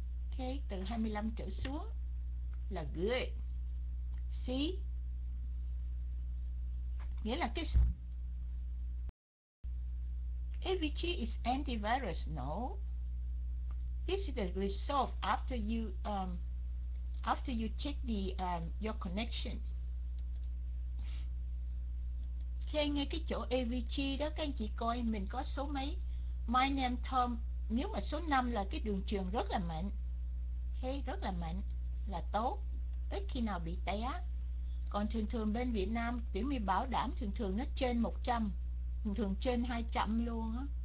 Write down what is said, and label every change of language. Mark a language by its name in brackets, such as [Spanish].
[Vietnamese] Ok, từ 25 trở xuống là good. [English] See? [Vietnamese] Nghĩa là cái AVG [English] is antivirus. No. This is the result after you after you check the your connection. [Vietnamese] Okay, ngay cái chỗ AVG đó các anh chị coi mình có số mấy. [English] My name Tom. [Vietnamese] Nếu mà số 5 là cái đường truyền rất là mạnh. Okay, rất là mạnh là tốt, ít khi nào bị té. Còn thường thường bên Việt Nam kiểu mình bảo đảm thường thường nó trên 100, thường thường trên 200 luôn á.